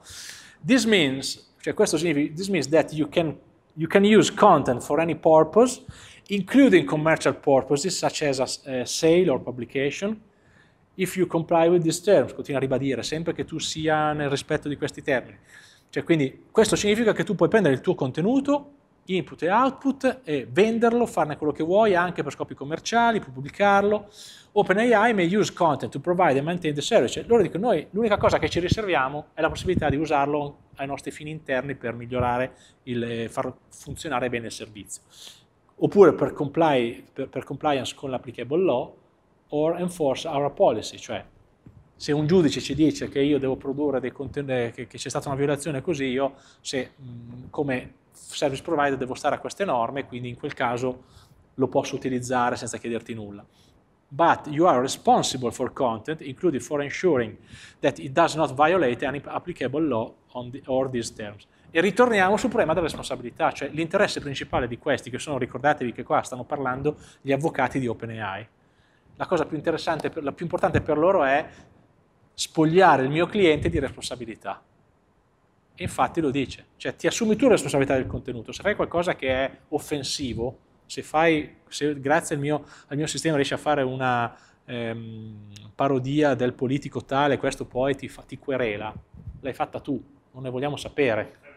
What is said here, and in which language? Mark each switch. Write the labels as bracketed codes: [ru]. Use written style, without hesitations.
[en] This means, [it] cioè questo significa, [en] this means that you can use content for any purpose, including commercial purposes, such as a sale or publication, if you comply with these terms, [it] continua a ribadire, sempre che tu sia nel rispetto di questi termini. Cioè, quindi questo significa che tu puoi prendere il tuo contenuto, input e output, e venderlo, farne quello che vuoi, anche per scopi commerciali, pubblicarlo. [en] OpenAI may use content to provide and maintain the service. [it] Cioè, loro dicono, noi l'unica cosa che ci riserviamo è la possibilità di usarlo ai nostri fini interni per migliorare, far funzionare bene il servizio. Oppure per compliance con l'applicable law, [en] or enforce our policy, [it] cioè... Se un giudice ci dice che io devo produrre dei contenuti, che c'è stata una violazione così, io se come service provider devo stare a queste norme, quindi in quel caso lo posso utilizzare senza chiederti nulla. [en] but you are responsible for content, including for ensuring that it does not violate any applicable law on the, or these terms. [it] E ritorniamo sul problema della responsabilità, cioè l'interesse principale di questi, che sono, ricordatevi che qua stanno parlando gli avvocati di OpenAI. La cosa più interessante, la più importante per loro è spogliare il mio cliente di responsabilità. E infatti lo dice, cioè ti assumi tu la responsabilità del contenuto, se fai qualcosa che è offensivo, se fai, se grazie al mio sistema riesci a fare una parodia del politico tale, questo poi ti querela, l'hai fatta tu, non ne vogliamo sapere.